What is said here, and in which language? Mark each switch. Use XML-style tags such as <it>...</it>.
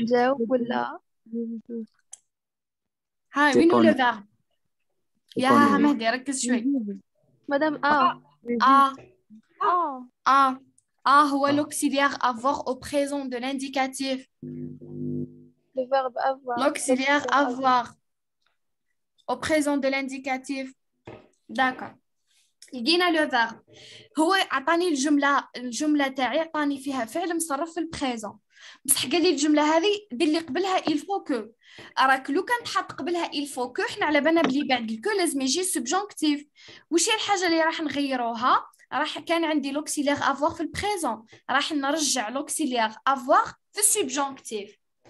<ar>جاوب ولا هاي وين هو لو فيرب؟ يا مهدي ركز شوي مدام.</ar> <fr>هو لوكسيليير افوار او بريزون دو لانديكاتيف لو فيرب افوار</fr> <ar>لوكسيليير افوار</ar> <fr>au présent de l'indicatif. D'accord. Il dit le verbe.</fr> <ar>هو عطاني الجمله تاعي عطاني فيها فعل مصرف في البريزون. بصح قال لي الجمله هذه دي اللي قبلها</ar> <fr>il faut que.</fr> <ar>راك لو كان تحط قبلها il faut que حنا على بالنا بلي بعد الكو لازم يجي سوبجونكتيف. واش هي الحاجه اللي راح نغيروها؟ راح كان عندي l'auxiliaire avoir في البريزون راح نرجع l'auxiliaire avoir في السوبجونكتيف.</ar>